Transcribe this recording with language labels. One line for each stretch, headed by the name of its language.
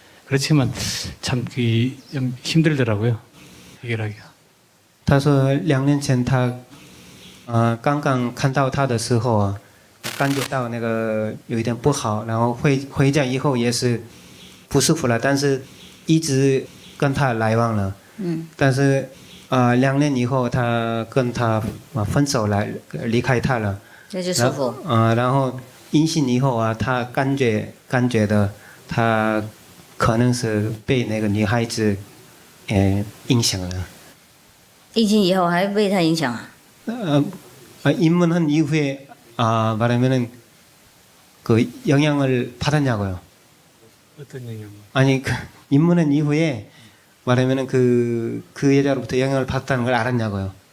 Korean: 그렇지만 참 좀 힘들더라고요. 해결하기가.
Chinese: 他说2年前他，刚刚看到他的时候啊，感觉到那个有一点不好，然后回家以后也是不舒服了，但是一直跟他来往了，但是2年以后他跟他分手了，离开他了，那就舒服。然后音信以后啊，他感觉的他可能是被那个女孩子影响了。疫情以后还被他影响
Korean: 입문한 이후에 말하면은 그 영향을 받았냐고요. 어떤 영향? 아니 그 입문한 이후에 말하면은 그 여자로부터 영향을 받았다는 걸 알았냐고요.